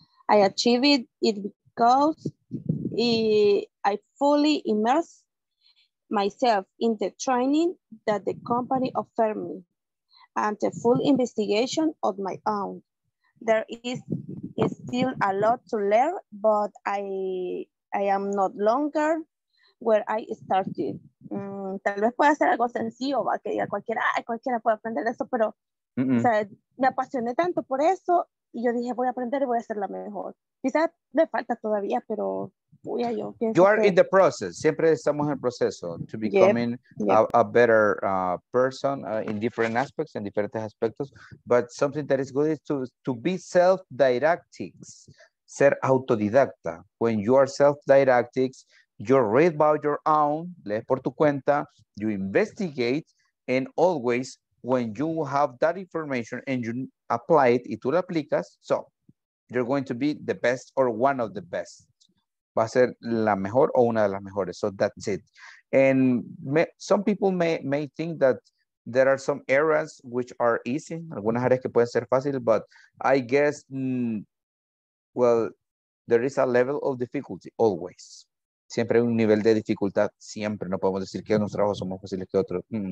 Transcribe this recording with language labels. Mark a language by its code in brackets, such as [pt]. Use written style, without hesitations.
[en] I achieved it because I fully immersed myself in the training that the company offered me and the full investigation of my own. There is still a lot to learn, but I am no longer where I started. [es] Tal vez pueda ser algo sencillo, va, que diga cualquiera, ay, cualquiera puede aprender eso, pero o sea, me apasioné tanto por eso y yo dije, voy a aprender y voy a ser la mejor. Quizás me falta todavía, pero voy a yo. [en] You are in the process. [es] Siempre estamos en el proceso [en] to becoming a better person in different aspects, [es] en diferentes aspectos. [en] But something that is good is to be self-didactic, [es] ser autodidacta. [en] When you are self-didactic, you read about your own, [es] lees por tu cuenta, [en] you investigate, and always when you have that information and you apply it, [es] y tú lo aplicas, [en] so you're going to be the best or one of the best. [es] Va a ser la mejor o una de las mejores. [en] So that's it. And some people may think that there are some areas which are easy, [es] algunas áreas que pueden ser fácil, [en] but I guess, well, there is a level of difficulty always. [es] Siempre hay un nivel de dificultad, siempre. No podemos decir que unos trabajos son más fáciles que otros.